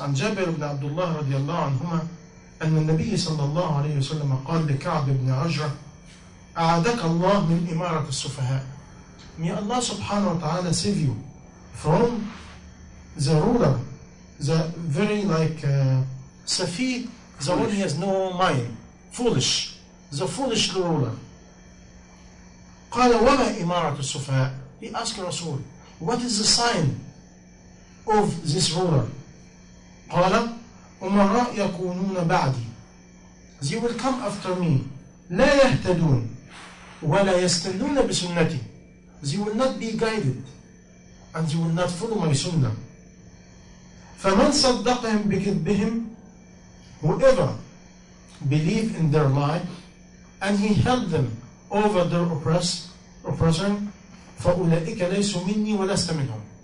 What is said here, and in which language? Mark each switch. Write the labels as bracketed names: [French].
[Arabic] عن جابر بن عبد الله رضي الله عنهما أن النبي صلى الله عليه وسلم قال لكعب بن عجرة أعادك الله من إمارة السفهاء. [English] May Allah subhanahu wa ta'ala save you from the ruler, the very like safi, the one who has no mind, foolish, the foolish ruler. [Arabic] قال وما إمارة السفهاء. [English] He asked Rasul, what is the sign of this ruler? [Arabic] قال أمراء يكونون بعدي. [English] They will come after me. [Arabic] لا يهتدون ولا يستنون بسنتي. [English] They will not be guided and they will not follow my sunnah. [Arabic] فمن صدقهم بكذبهم. [English] Whoever believed in their lie and he held them over their oppression, [Arabic] فَأُولَئِكَ لَيْسُ مِنِّي وَلَسْتَ مِنْهُمْ.